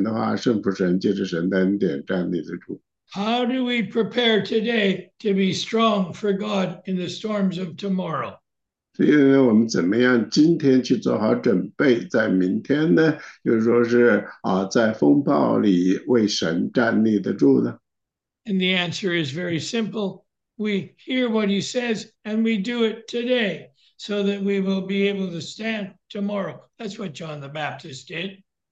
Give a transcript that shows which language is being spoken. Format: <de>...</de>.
<zh>第六呢，就是说是在我们的人生中呢，我们每个人都都要面临的不同的风暴。那么说呢，我们在人生的风暴中，我们要做什么呢？我们就是要听神的话，顺服神，借着神的恩典站立得住。</zh> <en>How do we prepare today to be strong for God in the storms of tomorrow?</en> <zh>所以呢，我们怎么样今天去做好准备，在明天呢，就是说是啊，在风暴里为神站立得住呢？</zh> <en>And the answer is very simple. We hear what he says and we do it today so that we will be able to stand tomorrow. That's what John the Baptist did.</en>